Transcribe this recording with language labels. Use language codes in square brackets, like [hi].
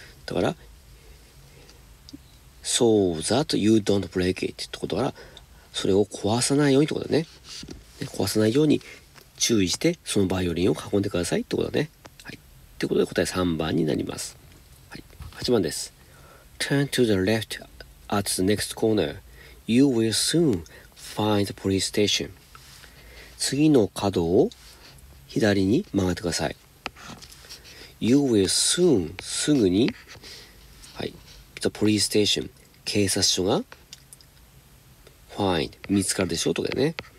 [ja] だから、 [en] So that you don't break it [ja] ってことから、それを壊さないようにってことだね。ね、壊さないように注意して、そのバイオリンを運んでくださいってことだね。はい。ってことで答え3番になります。はい。8番です。 [en] Turn to the left at the next corner. You will soon find the police station. [ja] 次の角を左に曲がってください。 [en] You will soon, [ja] すぐに、はい、 [en] the police station, [ja] 警察署が、 [en] find, [ja] 見つかるでしょうとかね。